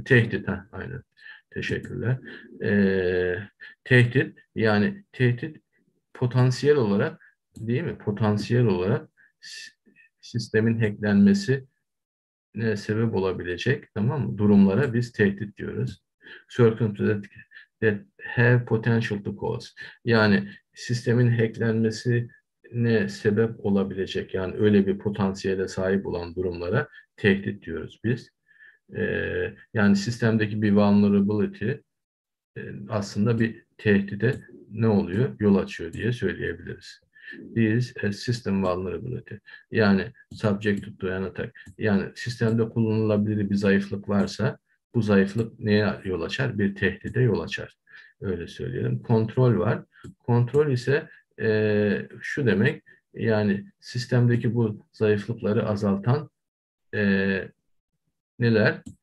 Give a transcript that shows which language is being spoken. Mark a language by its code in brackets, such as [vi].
[tr] Tehdit. Aynen. Teşekkürler. Tehdit. Yani tehdit potansiyel olarak, değil mi? Potansiyel olarak sistemin hacklenmesi ne sebep olabilecek, tamam mı? Durumlara biz tehdit diyoruz. [en] Circumstances that have potential to cause. [tr] Yani sistemin hacklenmesi ne sebep olabilecek, yani öyle bir potansiyele sahip olan durumlara tehdit diyoruz biz. Yani sistemdeki bir vulnerability aslında bir tehdide ne oluyor? Yol açıyor diye söyleyebiliriz. [en] This is a system vulnerability. [tr] Yani [en] subject to an attack. [tr] Yani sistemde kullanılabilir bir zayıflık varsa bu zayıflık neye yol açar? Bir tehdide yol açar. Öyle söyleyelim. Kontrol var. Kontrol ise şu demek, yani sistemdeki bu zayıflıkları azaltan neler?